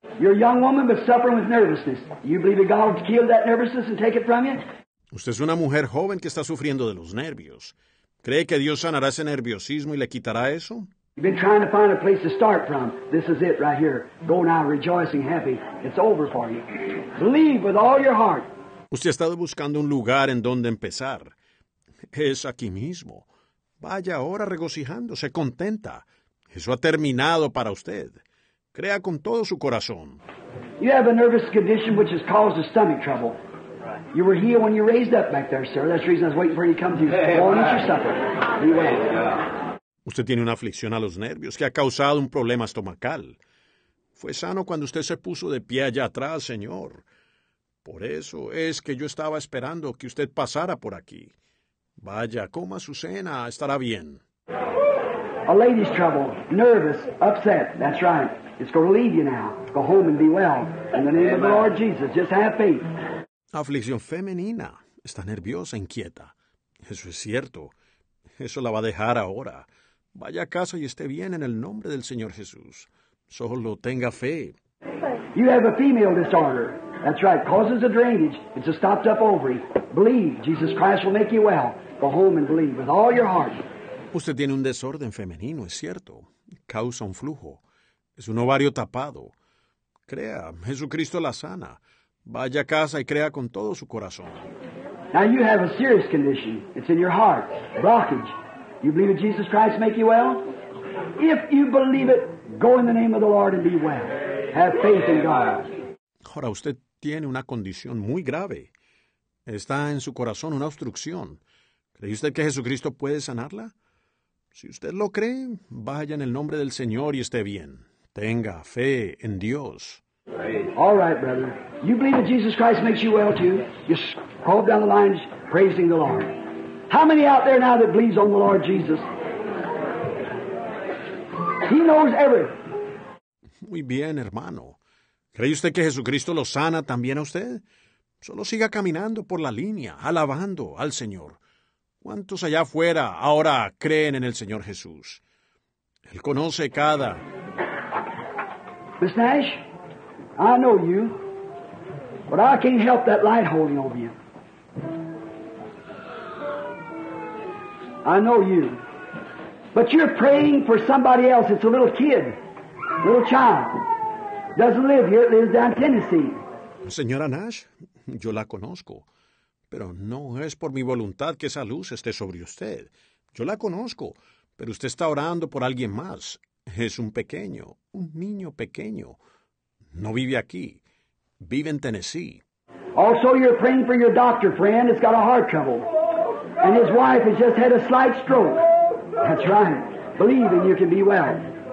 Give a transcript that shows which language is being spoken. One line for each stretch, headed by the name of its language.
English: You're a young woman but suffering with nervousness. You believe that God will kill that nervousness and take it from you?
Spanish: Usted es una mujer joven que está sufriendo de los nervios. ¿Cree que Dios sanará ese nerviosismo y le quitará eso?
English: You've been trying to find a place to start from. This is it right here. Go now rejoicing, happy. It's over for you. Believe with all your heart.
Spanish: Usted ha estado buscando un lugar en donde empezar. Es aquí mismo. Vaya ahora regocijándose, contenta. Eso ha terminado para usted. Crea con todo su corazón.
English: You have a nervous condition which has caused a stomach trouble. You were healed when you raised up back there, sir. That's the reason I was waiting for you to come to you. Go on, eat your supper. Be well.
Spanish: Usted tiene una aflicción a los nervios que ha causado un problema estomacal. Fue sano cuando usted se puso de pie allá atrás, señor. Por eso es que yo estaba esperando que usted pasara por aquí. Vaya, coma su cena, estará bien.
English: A lady's trouble, nervous, upset. That's right. It's going to leave you now. Go home and be well. In the name of the Lord Jesus, just have faith.
Spanish: Aflicción femenina. Está nerviosa, inquieta. Eso es cierto. Eso la va a dejar ahora. Vaya a casa y esté bien en el nombre del Señor Jesús. Solo tenga fe.
English: You have a female disorder. That's right. Causes a drainage. It's a stopped up ovary. Believe. Jesus Christ will make you well. Go home and believe with all your heart.
Spanish: Usted tiene un desorden femenino, es cierto. Causa un flujo. Es un ovario tapado. Crea, Jesucristo la sana. Vaya a casa y crea con todo su corazón.
English: Now you have a serious condition. It's in your heart. Blockage. You believe that Jesus Christ make you well? If you believe it, go in the name of the Lord and be well. Have faith in God.
Spanish: Ahora usted tiene una condición muy grave. Está en su corazón una obstrucción. ¿Cree usted que Jesucristo puede sanarla? Si usted lo cree, vaya en el nombre del Señor y esté bien. Tenga fe en Dios.
English: All right, brother. You believe that Jesus Christ makes you well too? Just crawl down the lines praising the Lord. How many out there now that believes on the Lord Jesus? He knows everything.
Spanish: Muy bien, hermano. ¿Cree usted que Jesucristo lo sana también a usted? Solo siga caminando por la línea, alabando al Señor. ¿Cuántos allá afuera ahora creen en el Señor Jesús? Él conoce cada...
English: Miss Nash, I know you, but I can't help that light holding over you. I know you, but you're praying for somebody else. It's a little kid, little child. Doesn't live here, it lives down in Tennessee.
Spanish: Señora Nash, yo la conozco, pero no es por mi voluntad que esa luz esté sobre usted. Yo la conozco, pero usted está orando por alguien más. Es un pequeño, un niño pequeño. No vive aquí. Vive en Tennessee.
English: Also, you're praying for your doctor friend that's got a heart trouble. And his wife has just had a slight stroke. That's right. Believe and you can be well.